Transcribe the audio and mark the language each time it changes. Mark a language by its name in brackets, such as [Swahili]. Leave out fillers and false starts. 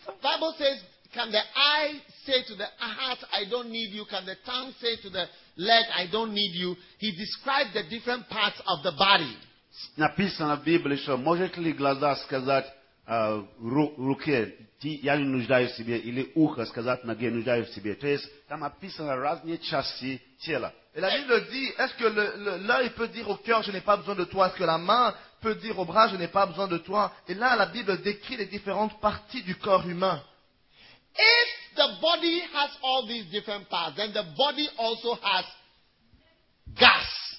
[English] The Bible says, can the eye say to the heart, I don't need you? Can the tongue say to the leg, I don't need you? He described the different parts of the body. [Russian] Написано в Библии, что может ли глаза сказать руке, я не нуждаюсь в себе, или ухо сказать ноге, нуждаюсь в себе. То есть там описано разные части тела. [French] Et la Bible dit, est-ce que l'œil peut dire au cœur, je n'ai pas besoin de toi? Est-ce que la main peut dire au bras, je n'ai pas besoin de toi? Et là, la Bible décrit les différentes parties du corps humain. [English] If the body has all these different parts, then the body also has gas.